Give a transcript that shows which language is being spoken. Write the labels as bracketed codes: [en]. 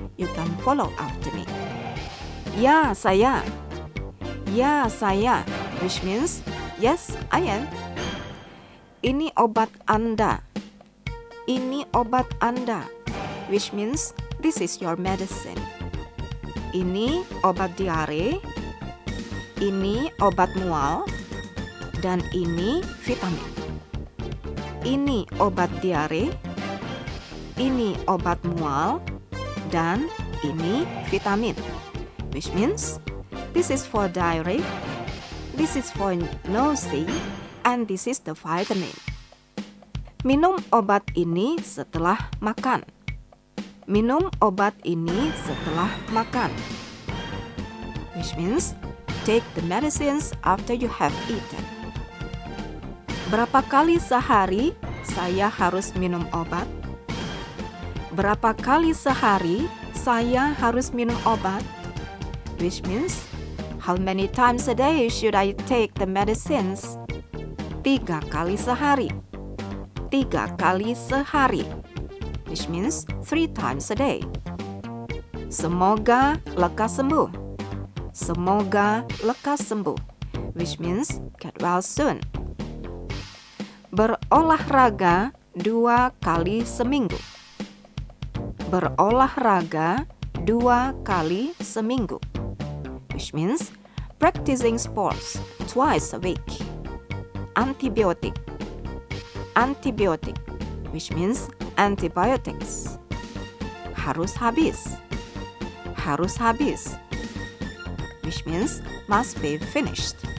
[en] You can follow after me. [id] Ya, saya. Ya, saya. [en] Which means, yes, I am. [id] Ini obat Anda. Ini obat Anda. [en] Which means, this is your medicine. [id] Ini obat diare. Ini obat mual, dan ini vitamin. Ini obat diare, ini obat mual, dan ini vitamin. [en] Which means, this is for diarrhea, this is for nausea, and this is the vitamin. [id] Minum obat ini setelah makan. minum obat ini setelah makan. [en] Which means, take the medicines after you have eaten. [id] Berapa kali sehari saya harus minum obat? Berapa kali sehari saya harus minum obat? [en] Which means, how many times a day should I take the medicines? [id] Tiga kali sehari. Tiga kali sehari. [en] Which means, 3 times a day. [id] Semoga lekas sembuh. Semoga lekas sembuh. [en] Which means, get well soon. [id] Berolahraga 2 kali seminggu. Berolahraga 2 kali seminggu. [en] Which means, practicing sports 2 times a week. Antibiotic. Antibiotic. Which means, antibiotics. [id] Harus habis. Harus habis. [en] Which means, must be finished.